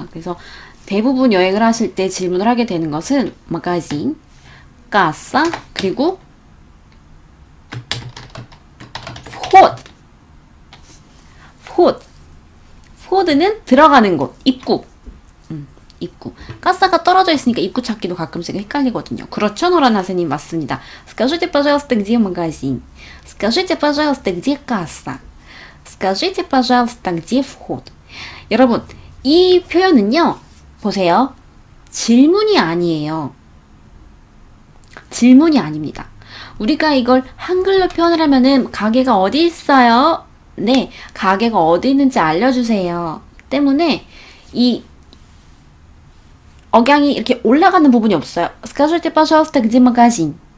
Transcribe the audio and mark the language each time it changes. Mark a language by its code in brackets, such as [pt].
[ko] 그래서 대부분 여행을 하실 때 질문을 하게 되는 것은 마가진, 까싸, 그리고 포드는 들어가는 곳, 입구. 입구. 가사가 떨어져 있으니까 입구 찾기도 가끔씩 헷갈리거든요. 그렇죠, 노란 선생님, 맞습니다. [ru] Скажите, пожалуйста, где магазин? Скажите, пожалуйста, где касса? Скажите, пожалуйста, где вход? [ko] 여러분, 이 표현은요, 보세요. 질문이 아니에요. 질문이 아닙니다. 우리가 이걸 한글로 표현을 하면은 가게가 어디 있어요? 네, 가게가 어디 있는지 알려주세요. 때문에 이 억양이 이렇게 올라가는 부분이 없어요. [ru] Скажите, пожалуйста, где магазин?